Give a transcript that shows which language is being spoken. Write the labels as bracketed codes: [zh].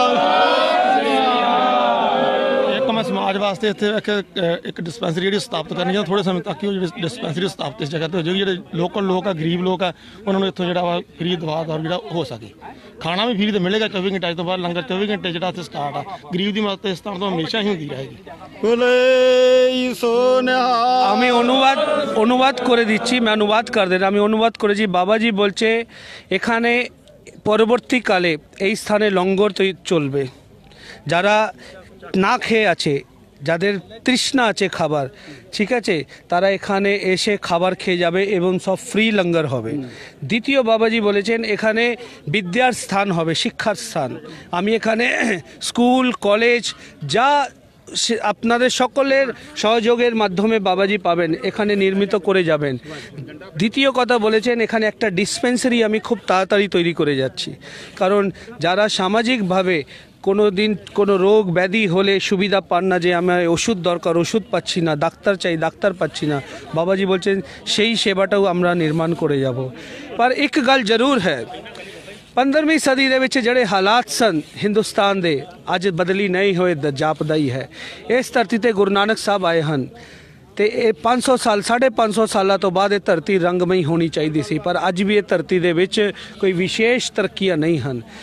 [pa] ਸੋਨਿਹਾਲ, ਇੱਕ ਮੈਂ ਸਮਾਜ ਵਾਸਤੇ ਇੱਥੇ ਇੱਕ ਡਿਸਪੈਂਸਰੀ ਜਿਹੜੀ ਸਥਾਪਿਤ ਕਰਨੀ ਆ, ਥੋੜ੍ਹੇ ਸਮੇਂ ਤੱਕ ਹੀ ਉਹ ਜਿਹੜੀ ਡਿਸਪੈਂਸਰੀ ਸਥਾਪਿਤ ਇਸ ਜਗ੍ਹਾ 'ਤੇ ਹੋ ਜਾਊਗੀ, ਜਿਹੜੇ ਲੋਕਲ ਲੋਕ ਆ, ਗਰੀਬ ਲੋਕ ਆ, ਉਹਨਾਂ ਨੂੰ ਇੱਥੋਂ ਜਿਹੜਾ ਵਾ ਫਰੀ ਦਵਾ ਦਾ ਜਿਹੜਾ ਹੋ ਸਕੇ, ਖਾਣਾ ਵੀ ਫਰੀ ਤਾਂ ਮਿਲੇਗਾ 24 ਘੰਟੇ ਤੋਂ ਬਾਅਦ, ਲੰਗਰ 24 ਘੰਟੇ ਜਿਹੜਾ ਉੱਥੇ ਸਟਾਰਟ ਆ, ਗਰੀਬ ਦੀ ਮਦਦ ਇਸ ਤਰ੍ਹਾਂ ਤੋਂ ਹਮੇਸ਼ਾ ਹੀ ਹੁੰਦੀ ਰਹੇਗੀ। [bn] আমি অনুবাদ করে দিচ্ছি, আমি অনুবাদ কর দেন, আমি অনুবাদ করেছি। বাবাজি বলছে এখানে পরবর্তীকালে এই স্থানে লঙ্গর চলবে, যারা না খেয়ে আছে, যাদের তৃষ্ণা আছে খাবার, ঠিক আছে, তারা এখানে এসে খাবার খেয়ে যাবে এবং সব ফ্রি লঙ্গর হবে। দ্বিতীয় বাবাজি বলেছেন এখানে বিদ্যার স্থান হবে, শিক্ষার স্থান, আমি এখানে স্কুল কলেজ যা আপনাদের সকলের সহযোগের মাধ্যমে বাবাজি পাবেন এখানে নির্মিত করে যাবেন। দ্বিতীয় কথা বলেছেন এখানে একটা ডিসপেন্সারি আমি খুব তাড়াতাড়ি তৈরি করে যাচ্ছি, কারণ যারা সামাজিকভাবে কোনো দিন কোনো রোগ ব্যাধি হলে সুবিধা পান না, যে আমার ওষুধ দরকার ওষুধ পাচ্ছি না, ডাক্তার চাই ডাক্তার পাচ্ছি না, বাবাজি বলছেন সেই সেবাটাও আমরা নির্মাণ করে যাব। [pa] পর এক গাল জরুর হ্যাঁ, 15ਵੀਂ ਸਦੀ ਦੇ ਵਿੱਚ ਜਿਹੜੇ ਹਾਲਾਤ ਸਨ ਹਿੰਦੁਸਤਾਨ ਦੇ, ਅੱਜ ਬਦਲੀ ਨਹੀਂ ਹੋਏ, ਜਾਪਦਾਈ ਹੈ। ਇਸ ਧਰਤੀ 'ਤੇ ਗੁਰੂ ਨਾਨਕ ਸਾਹਿਬ ਆਏ ਹਨ ਅਤੇ ਇਹ 500 ਸਾਲਾਂ ਤੋਂ ਬਾਅਦ ਇਹ ਧਰਤੀ ਰੰਗਮਈ ਹੋਣੀ ਚਾਹੀਦੀ ਸੀ, ਪਰ ਅੱਜ ਵੀ ਇਹ ਧਰਤੀ ਦੇ ਵਿੱਚ ਕੋਈ ਵਿਸ਼ੇਸ਼ ਤਰੱਕੀਆਂ ਨਹੀਂ ਹਨ।